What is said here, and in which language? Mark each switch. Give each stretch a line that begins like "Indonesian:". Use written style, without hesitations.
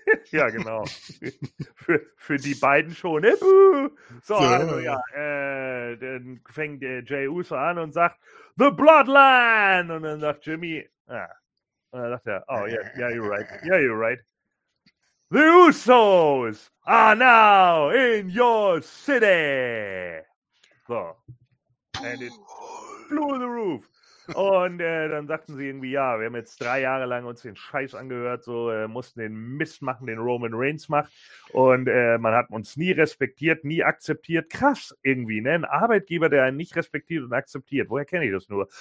German: Ja, genau. Für die beiden schon. So, also ja, dann fängt der Jey Uso an und sagt, The Bloodline! Und dann sagt Jimmy, und dann sagt er,
English: oh, yeah, you're right. The Usos are now in your city! So. And it blew the roof.
German: Und dann sagten sie irgendwie, ja, wir haben jetzt 3 Jahre lang uns den Scheiß angehört, so mussten den Mist machen, den Roman Reigns macht. Und man hat uns nie respektiert, nie akzeptiert. Krass irgendwie, ne? Ein Arbeitgeber, der einen nicht respektiert und akzeptiert. Woher kenne ich das nur?